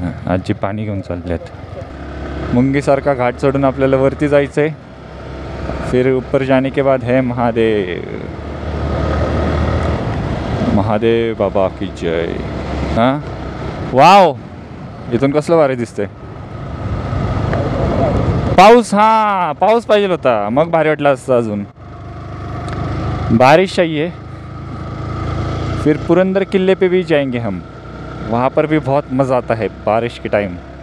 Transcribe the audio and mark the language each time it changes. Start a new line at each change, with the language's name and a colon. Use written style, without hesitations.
Marathi: आजी पाणी घेऊन चालल्यात. मुंगीसारखा घाट चढून आपल्याला वरती जायचं आहे.
Hindi: फिर उपर जाने के बाद है महादेव. महादेव बाबा की जय.
Marathi: हां वाव इथून कसलं भारी दिसतंय. पाऊस. हां पाऊस पाहिजे होता मग भारी वाटला असता.
Hindi: अजून बारिश आई है. फिर पुरंदर किले पे भी जाएंगे हम. वहां पर भी बहुत मजा आता है बारिश के टाइम.